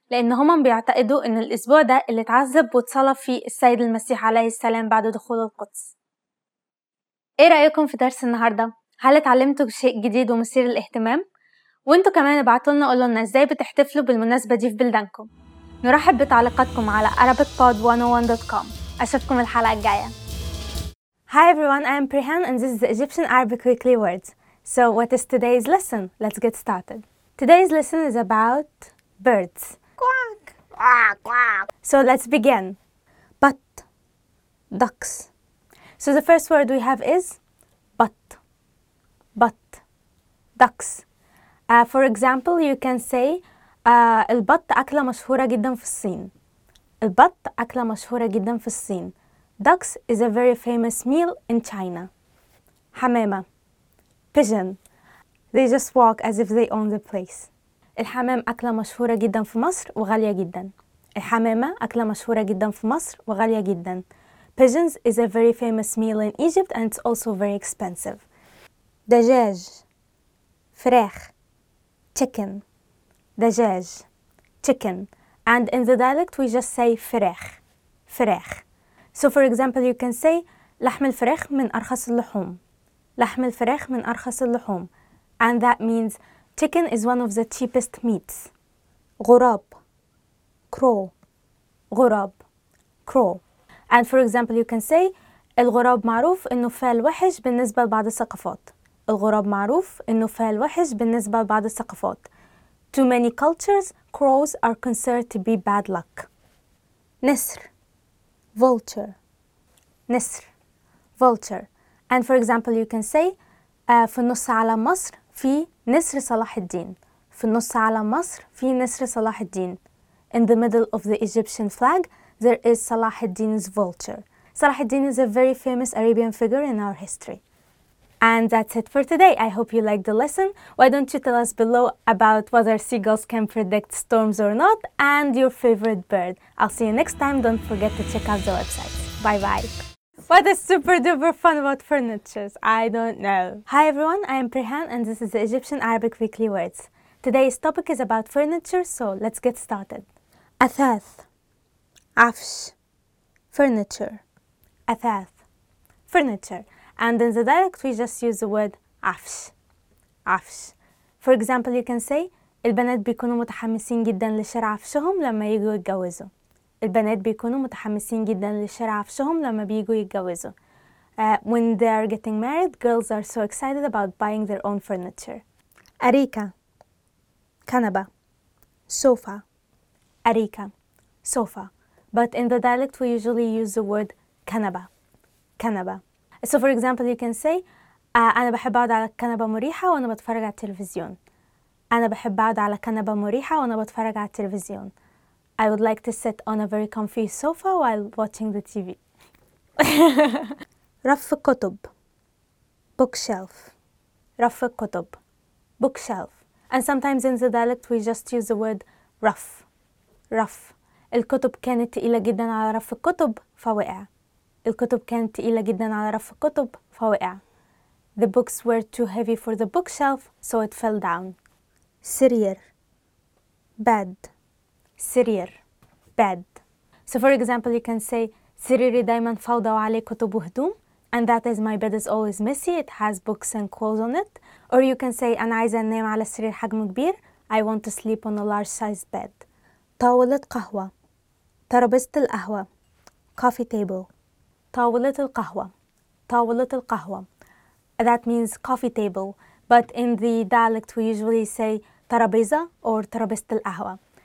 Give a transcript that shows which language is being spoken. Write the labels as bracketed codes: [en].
[ar] لأن هما بيعتقدوا إن الأسبوع ده اللي اتعذب واتصلب فيه السيد المسيح عليه السلام بعد دخول القدس. إيه رأيكم في درس النهاردة؟ هل اتعلمتوا شيء جديد ومثير للاهتمام؟ وإنتوا كمان ابعتولنا قولولنا إزاي بتحتفلوا بالمناسبة دي في بلدانكم. نرحب بتعليقاتكم على ArabicPod101.com. أشوفكم الحلقة الجاية. [en] Hi everyone, I am Prehan and this is the Egyptian Arabic Weekly Words. So what is today's lesson? Let's get started. Today's lesson is about birds. Quack! Quack! Quack! So let's begin. Bat. Ducks. So the first word we have is bat. Bat. Ducks. For example, you can say [ar] البط أكلة مشهورة جدا في الصين. البط أكلة مشهورة جدا في الصين. [en] Ducks is a very famous meal in China. [ar] حمامة. Pigeon. [en] They just walk as if they own the place. [ar] الحمام أكلة مشهورة جدا في مصر وغالية جدا. الحمامة أكلة مشهورة جدا في مصر وغالية جدا. [en] Pigeons is a very famous meal in Egypt and it's also very expensive. [ar] دجاج. فراخ. Chicken. دجاج. Chicken. [en] And in the dialect we just say فراخ. [ar] فراخ. [en] So for example you can say [ar] لحم الفراخ من أرخص اللحوم. لحم الفراخ من أرخص اللحوم. [en] And that means chicken is one of the cheapest meats. [ar] غراب. Crow. غراب. Crow. [en] And for example you can say [ar] الغراب معروف إنه فال وحش بالنسبة لبعض الثقافات. الغراب معروف إنه فال وحش بالنسبة لبعض الثقافات. [en] Too many cultures, crows are considered to be bad luck. [ar] نسر. Vulture. نسر. Vulture. [en] And for example you can say [ar] في النص على مصر في نسر صلاح الدين. في النص على مصر في نسر صلاح الدين. [en] In the middle of the Egyptian flag there is صلاح الدين's vulture. صلاح الدين is a very famous Arabian figure in our history. And that's it for today. I hope you liked the lesson. Why don't you tell us below about whether seagulls can predict storms or not and your favorite bird. I'll see you next time. Don't forget to check out the website. Bye-bye. What is super duper fun about furniture? I don't know. Hi everyone, I am Prehan and this is the Egyptian Arabic Weekly Words. Today's topic is about furniture, so let's get started. Athath. Afsh. Furniture. Athath. Furniture. And in the dialect, we just use the word عفش. عفش. For example, you can say [ar] البنات بيكونوا متحمسين جدا لشراء عفشهم لما يجوا يتجوزوا. البنات بيكونوا متحمسين جدا لشراء عفشهم لما بيجوا يتجوزوا. [en] When they are getting married, girls are so excited about buying their own furniture. [ar] أريكة. كنبة. صوفة. أريكة. صوفة. [en] But in the dialect, we usually use the word كنبة. [ar] كنبة. [en] So for example you can say [ar] انا بحب اقعد على كنبه مريحه وانا بتفرج على التلفزيون. انا بحب اقعد على كنبه مريحه وانا بتفرج على التلفزيون. [en] I would like to sit on a very comfy sofa while watching the TV. [ar] رف كتب. Bookshelf. رف كتب. Bookshelf. [en] And sometimes in the dialect we just use the word رف. [ar] رف. الكتب كانت تقيله جدا على رف الكتب فوقع. الكتب كانت تقيلة جدا على رف الكتب فوقع. [en] The books were too heavy for the bookshelf, so it fell down. [ar] سرير. Bed. سرير. Bed. [en] So for example, you can say [ar] سريري دايما فوضى وعليه كتب وهدوم. [en] And that is my bed is always messy. It has books and clothes on it. Or you can say [ar] أنا عايزة أنام على سرير حجمه كبير. [en] I want to sleep on a large size bed. [ar] طاولة قهوة. ترابيزة القهوة. Coffee table. طاولة القهوة. طاولة القهوة. [en] That means coffee table. But in the dialect we usually say ترابيزة or [ar] ترابيزة القهوة.